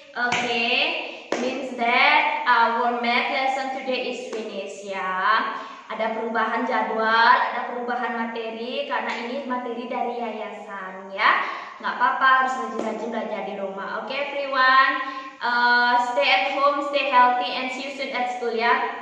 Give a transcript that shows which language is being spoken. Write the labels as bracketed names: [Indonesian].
[English] Okay, means that our math lesson today is finished ya. [Indonesian] Ada perubahan jadwal, ada perubahan materi, karena ini materi dari yayasan ya. Gak apa-apa, harus rajin-rajin belajar di rumah. [English] Okay, everyone, stay at home, stay healthy, and see you soon at school ya.